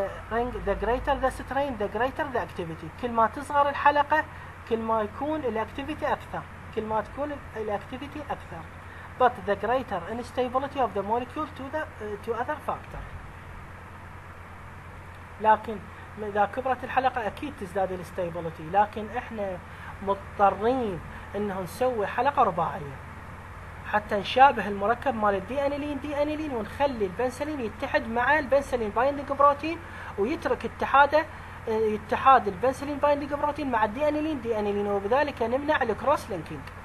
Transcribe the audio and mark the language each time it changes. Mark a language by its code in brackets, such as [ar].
[en] Ring the greater the strain, the greater the activity. [ar] كل ما تصغر الحلقة، كل ما يكون الactivity أكثر. كل ما تكون الactivity أكثر. [en] But the greater instability of the molecule to other factor. [ar] لكن إذا كبرت الحلقة أكيد تزداد الاستابيليتي. لكن إحنا مضطرين إنه نسوي حلقة رباعية حتى نشابه المركب مال الدي انيلين دي انيلين ونخلي البنسلين يتحد مع البنسلين بايندينج بروتين ويترك اتحاد البنسلين بايندينج بروتين مع الدي انيلين دي انيلين وبذلك نمنع الكروس لينكينج.